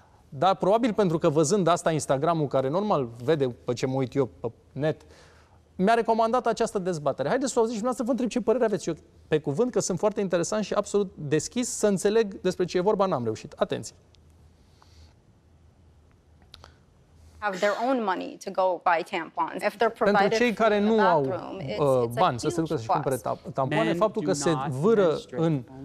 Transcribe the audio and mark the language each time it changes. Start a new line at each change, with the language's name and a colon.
Romanian: Dar probabil pentru că văzând asta Instagram-ul, care normal vede pe ce mă uit eu pe net, mi-a recomandat această dezbatere. Haideți să o auziți și vreau să vă întreb ce părere aveți. Eu, pe cuvânt, că sunt foarte interesant și absolut deschis să înțeleg despre ce e vorba, n-am reușit. Atenție!
English: Have their own money to go buy tampons. If they're provided,
Romanian: pentru cei care nu au bani să se ducă să-și cumpere tampoane, faptul că se vâră în...